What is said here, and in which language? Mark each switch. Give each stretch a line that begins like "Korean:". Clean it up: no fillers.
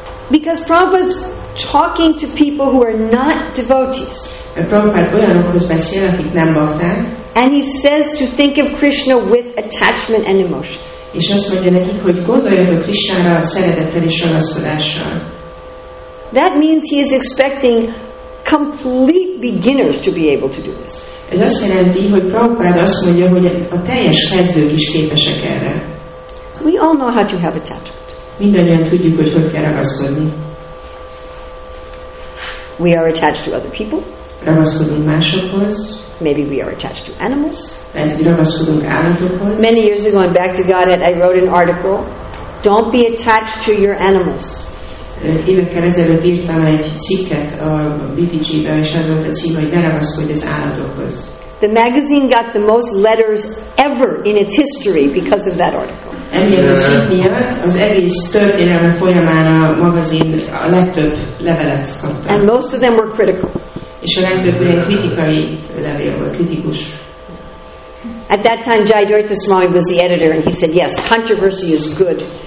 English: Because Prabhupada's talking to people who are not devotees. And he says to think of Krishna with attachment and emotion.
Hungarian: És azt mondja nekik, hogy gondoljatok Krisnára szeretettel és ragaszkodással.
English: That means he is expecting complete beginners to be able to do this.
Hungarian: Ez azt jelenti, hogy Prabhupád azt mondja, hogy a teljes kezdők is képesek erre.
English: We all know how to have attachment.
Hungarian: Mindannyian tudjuk, hogy kell ragaszkodni.
English: We are attached to other people.
Hungarian: Ragaszkodunk másokhoz.
English: Maybe we are attached to animals.
Hungarian: Ragaszkodunk állatokhoz.
English: Many years ago, I'm back to Godhead, I wrote an article. Don't be attached to your animals.
Hungarian: Évekkel ezelőtt írtam egy cikket a BTG-be, és az volt a cím, hogy ne ragaszkodj az állatokhoz.
English: The magazine got the most letters ever in its history because of that article.
Hungarian: Emiatt a cím miatt az egész történelme folyamán a magazin a legtöbb levelet kapta.
English: And most of them were critical.
Hungarian: És a legtöbb olyan kritikai levél volt, kritikus.
English: At that time, Jayadeva Swami was the editor, and he said, "Yes, controversy is good."